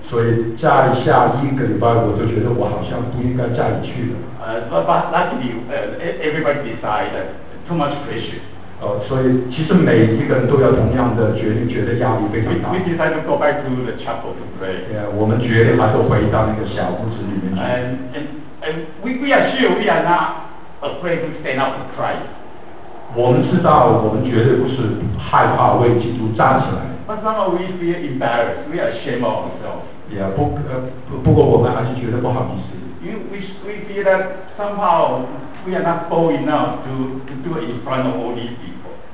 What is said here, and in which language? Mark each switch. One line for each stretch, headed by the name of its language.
Chinese: 所以在下一个礼拜我就觉得我好像不应该再去了。
English: But luckily, everybody decided too much pressure.
Chinese: 所以其实每一个人都要同样的决定，觉得压力非常大。
English: We decided to go back to the chapel to pray.
Chinese: Yeah, 我们决定还是回到那个小屋子里面去。
English: And we are sure we are not afraid to stand up to Christ.
Chinese: 我们知道我们绝对不是害怕为基督站起来。
English: But somehow we feel embarrassed. We are ashamed of ourselves.
Chinese: Yeah, 不过我们还是觉得不好意思。
English: We feel that somehow. We are not bold enough to do it in front of all these people.